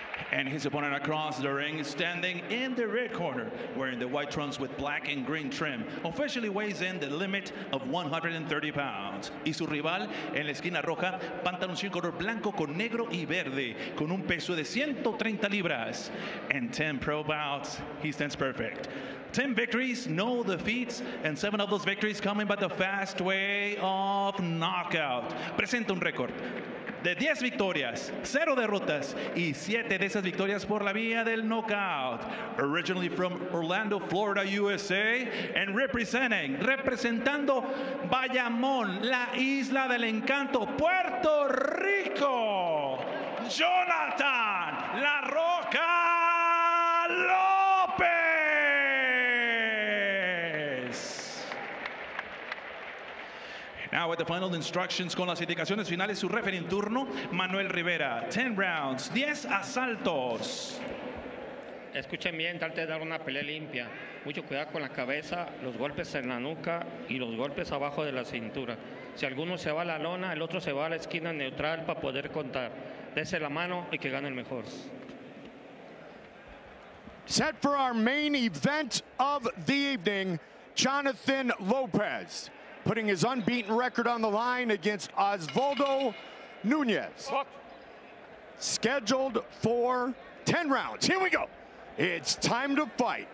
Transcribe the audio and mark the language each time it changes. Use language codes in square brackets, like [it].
[en] And his opponent across the ring, standing in the red corner, wearing the white trunks with black and green trim, officially weighs in the limit of 130 pounds. [es] Y su rival, en la esquina roja, pantaloncillo color blanco con negro y verde, con un peso de 130 libras. [en] And 10 pro bouts, he stands perfect. 10 victories, no defeats, and 7 of those victories coming by the fast way of knockout. [es] Presenta un récord de 10 victorias, 0 derrotas, y 7 de esas victorias por la vía del knockout. [en] Originally from Orlando, Florida, USA, and [es] representando Bayamón, la isla del encanto, Puerto Rico, Jonathan La Roca López. [en] Now with the final instructions, [es] con las indicaciones finales, su referee en turno, Manuel Rivera. [en] 10 rounds, [es] 10 asaltos. Escuchen bien, trate de dar una pelea limpia. Mucho cuidado con la cabeza, los golpes en la nuca y los golpes abajo de la cintura. Si alguno se va a la lona, el otro se va a la esquina neutral para poder contar. Dese la mano y que gane el mejor. [en] Set for our main event of the evening, Jonathan Lopez, putting his unbeaten record on the line against Osvaldo Nunez. Scheduled for 10 rounds. Here we go. It's time to fight.